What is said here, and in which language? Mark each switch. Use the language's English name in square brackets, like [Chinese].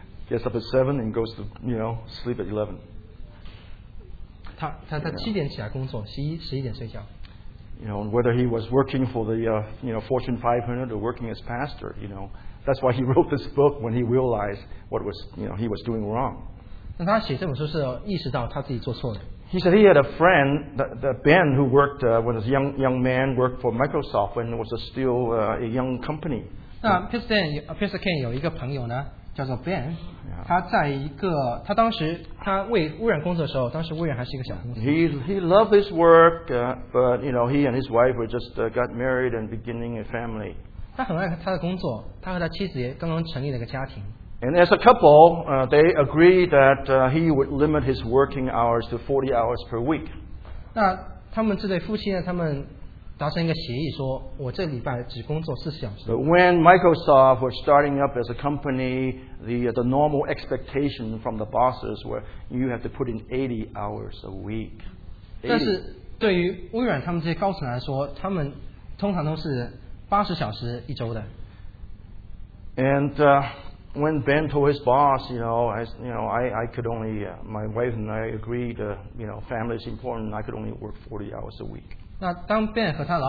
[English] Gets up at 7 and goes to, you know, sleep at 11. [Chinese] 他7点起来工作, 11点睡觉。 [English] You know, whether he was working for the Fortune 500 or working as pastor, you know, that's why he wrote this book when he realized what was, you know, he was doing wrong. [Chinese] 那他写这本书是意识到他自己做错的。 [English] He said he had a friend, the Ben, who worked when was a young man, worked for Microsoft when it was still a young company. [Chinese] 那 Pastor Ken 有一个朋友呢，叫做 Ben， 他在一个他当时他为微软工作的时候，当时微软还是一个小公司。 [English] He loved his work, but you know he and his wife were just got married and beginning a family. [Chinese] 他很爱他的工作，他和他妻子也刚刚成立了一个家庭。 [English] And as a couple, they agreed that he would limit his working hours to 40 hours per week. [Chinese] 那他们这对夫妻呢，他们达成一个协议，说我这礼拜只工作40小时。 [English] But when Microsoft was starting up as a company, the normal expectation from the bosses were you have to put in 80 hours a week. [Chinese] 但是对于微软他们这些高层来说，他们通常都是80小时一周的。 [English] And when Ben told his boss, I could only, my wife and I agreed, family is important, I could only work 40 hours a week.